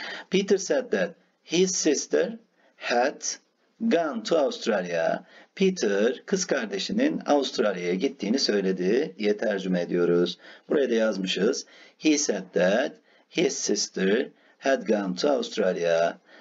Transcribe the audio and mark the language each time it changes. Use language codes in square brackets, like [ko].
[en] Peter said that his sister had gone to Australia. [tr] Peter, kız kardeşinin Avustralya'ya gittiğini söyledi diye tercüme ediyoruz. Buraya da yazmışız. [en] He said that his sister had gone to Australia.